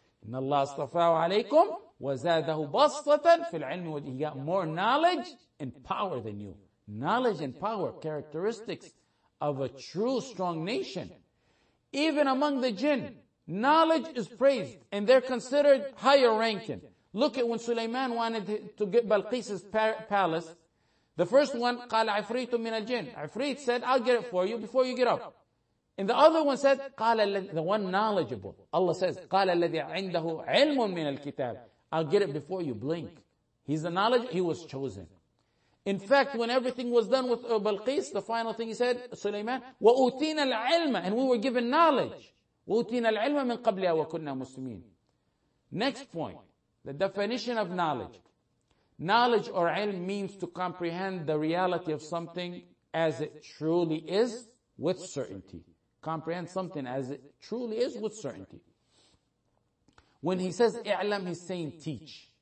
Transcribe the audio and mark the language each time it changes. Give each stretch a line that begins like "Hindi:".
Arabic: إِنَّ اللَّهَ اصْطَفَاهُ عَلَيْكُمْ وَزَادَهُ بَسْطَةً فِي الْعِلْمِ وَالْجِسْمِ.
English: He got more knowledge and power than you. Knowledge and power, characteristics of a true strong nation. Even among the jinn, knowledge is praised and they're considered higher ranking. Look at when Sulaiman wanted to get Balqis's palace. The first one,
Arabic: قال عفريت من الجن.
English: Ifrit said, I'll get it for you before you get up. And the other one said, قال the one knowledgeable. Allah says,
Arabic: قال الذي عنده علم من الكتاب.
English: I'll get it before you blink. He's the knowledge, he was chosen. In fact, when everything was done with Balqis, the final thing he said, Sulaiman,
Arabic: وأوتينا العلم.
English: And we were given knowledge.
Arabic: وأوتينا العلم من قبل وكنا مسلمين.
English: Next point, the definition of knowledge. Knowledge or ilm means to comprehend the reality of something as it truly is with certainty. Comprehend something as it truly is with certainty. When he says i'lam, he's saying teach.